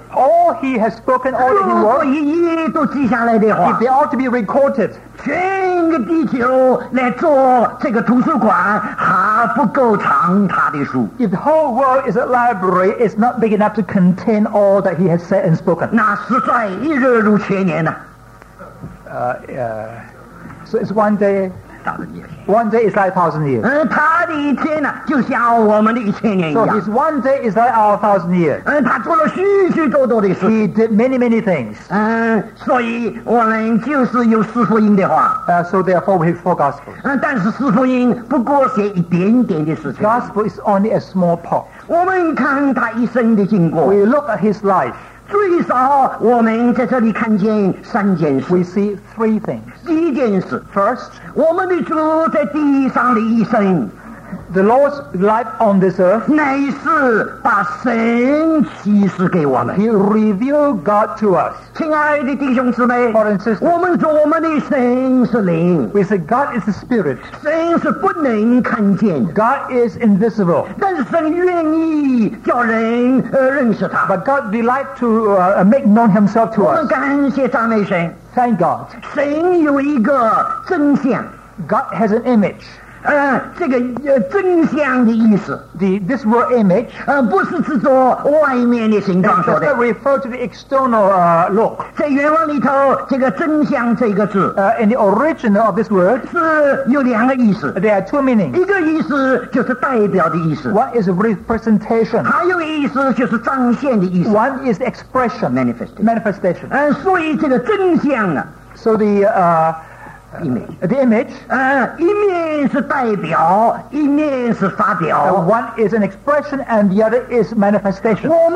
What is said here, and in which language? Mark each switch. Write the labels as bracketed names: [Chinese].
[English] all he has spoken, all that he worked, if they ought to be recorded, [Chinese] 全地球来做这个图书馆还不够藏他的书。 [English] If the whole world is a library, it's not big enough to contain all that he has said and spoken. [Chinese] 那实在一日如千年啊。 [English] So it's one day is like 1,000 years. [Chinese] 他的一天呢，就像我们的一千年一样。 [English] So his one day is like our 1,000 years. [Chinese] 他做了许许多多的事。 [English] He did many many things. [Chinese] 所以我们就是有四福音的话。 [English] So therefore we have four gospels. [Chinese] 但是四福音不过写一点点的事情。 [English] Gospel is only a small part. [Chinese] 我们看他一生的经过。 [English] We look at his life. [Chinese] 最少我们在这里看见三件事。 [English] We see three things. [Chinese] 第一件事, [English] First, [Chinese] 我们的主在地上的一生, [English] the Lord's life on this earth, [Chinese] 乃是把神启示给我们。 [English] He revealed God to us. [Chinese] 亲爱的弟兄姊妹, [English] brother and sister, [Chinese] 我们说我们的神是灵。 [English] We say God is a spirit. [Chinese] 神是不能看见。 [English] God is invisible. [Chinese] 但是神愿意叫人, 认识他。 [English] But God delight to make known himself to us. [Chinese] 我们感谢赞美神。 [English] Thank God. [Chinese] 神有一个真相。 [English] God has an image. [Chinese] 这个真相的意思, [English] this word image, [Chinese] 不是指着外面的形状说的, [English] does refer to the external look. [Chinese] 在原文里头, 这个真相这个字, [English] in the original of this word, [Chinese] 是有两个意思, [English] there are two meanings. [Chinese] 一个意思就是代表的意思, [English] one is representation, [Chinese] 还有一个意思就是彰显的意思, [English] one is expression, manifestation. [Chinese] 所以这个真相啊, [English] so the image. The image. [Chinese] 一面是代表，一面是发表。 [English] One is an expression and the other is manifestation.